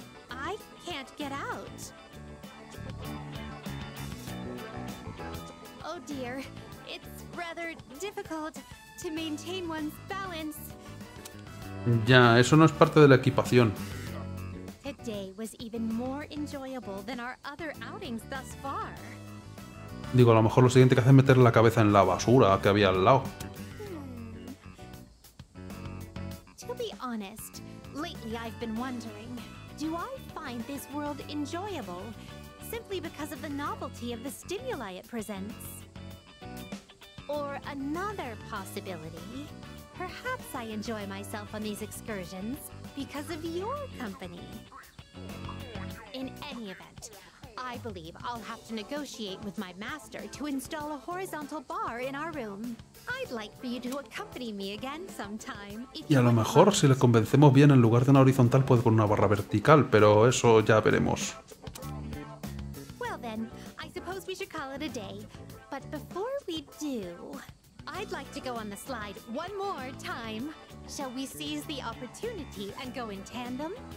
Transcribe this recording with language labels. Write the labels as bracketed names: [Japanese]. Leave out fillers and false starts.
[English] I can't get out. Oh dear, it's rather difficult to maintain one's balance. [Spanish] Ya, eso no es parte de la equipación. [English] To day was even more enjoyable than our other outings thus far. [Spanish] Digo, a lo mejor lo siguiente que hace es meter la cabeza en la basura que había al lado. [English] To be honest, lately I've been wondering, do I find this world enjoyable simply because of the novelty of the stimuli it presents? Or another possibility, perhaps I enjoy myself on these excursions because of your company. In any event, I believe I'll have to negotiate with my master to install a horizontal bar in our room. I'd like for you to accompany me again sometime. [Spanish] Y a lo mejor si le convencemos bien, en lugar de una horizontal puede poner una barra vertical, pero eso ya veremos. [English] Well then, I suppose we should call it a day. But before we do, I'd like to go on the slide one more time. Shall we seize the opportunity and go in tandem?